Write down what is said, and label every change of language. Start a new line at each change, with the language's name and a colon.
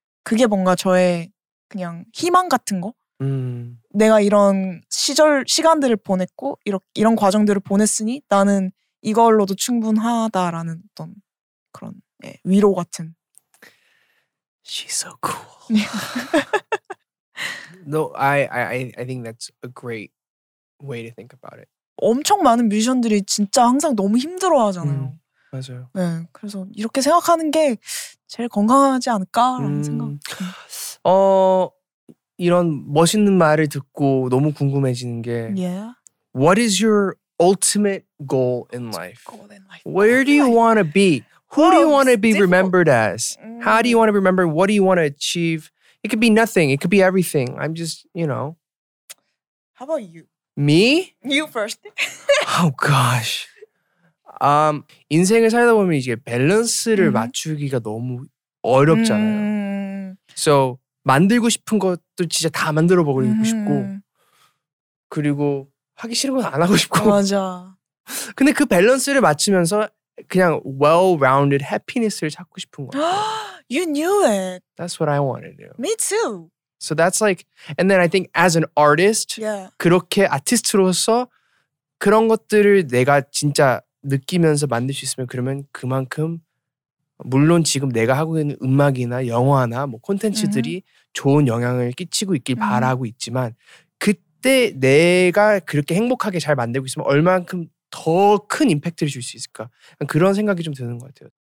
Korean: 그게 뭔가 저의 그냥 희망 같은 거 내가 이런 시간들을 보냈고 이런 과정들을 보냈으니 나는 이걸로도 충분하다라는 어떤 그런 예, 위로 같은
English: She's so cool. No, I think that's a great way to think about it.
Korean: 엄청 많은 뮤지션들이 진짜 항상 너무 힘들어 하잖아요. 맞아요. 네, 그래서 이렇게 생각하는 게 제일 건강하지 않을까라는 생각. 이런 멋있는 말을 듣고 너무 궁금해지는 게
English: yeah. What is your ultimate goal in life? Goal in life. Where do you want to be? Who do you want to be remembered as? How do you want to be remembered? What do you want to achieve? It could be nothing. It could be everything. I'm just, you know. How about you? Me? You first. Oh gosh.
Korean: 인생을 살다 보면 이제 밸런스를 맞추기가 너무 어렵잖아요. So 만들고 싶은 것도 진짜 다 만들어 버리고 싶고 그리고 하기 싫은 건 안 하고 싶고 맞아. 근데 그 밸런스를 맞추면서 그냥
English: well-rounded happiness
Korean: 를 찾고 싶은 거 같아요.
English: You knew it. That's what I want to do. Me too. So that's like and then I think as an artist yeah.
Korean: 그렇게 아티스트로서 그런 것들을 내가 진짜 느끼면서 만들 수 있으면 그러면 그만큼 물론 지금 내가 하고 있는 음악이나 영화나 뭐 콘텐츠들이 좋은 영향을 끼치고 있길 바라고 있지만 그때 내가 그렇게 행복하게 잘 만들고 있으면 얼만큼 더 큰 임팩트를 줄 수 있을까 그런 생각이 좀 드는 것 같아요.